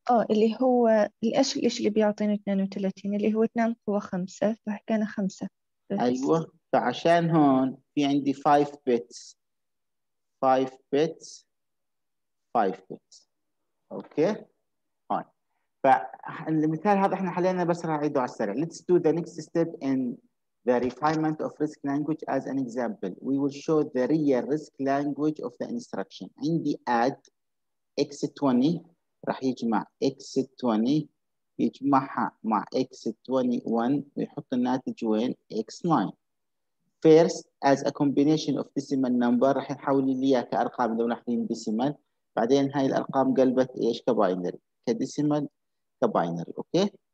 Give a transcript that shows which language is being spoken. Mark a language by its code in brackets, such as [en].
[ar] اللي هو الاش ايش اللي بيعطيني 32، اللي هو 2 قوى 5، فحكينا 5 ايوه، [en] Register. [ar] فعشان هون في عندي 5 بيتس 5 بيتس 5 بيتس اوكي. هون فالمثال هذا احنا حلينا، بس راح اعيده على السريع. [en] Let's do the next step in the refinement of risk language as an example. We will show the real risk language of the instruction. [ar] عندي add x20 راح يجمع x20 يجمعها مع x21 ويحط الناتج وين؟ x9. [en] First as a combination of decimal number [ar] راح نحول لي اياها كارقام لو ناخذين decimal، بعدين هاي الارقام قلبت ايش؟ كباينري، كديسيمال كباينري اوكي.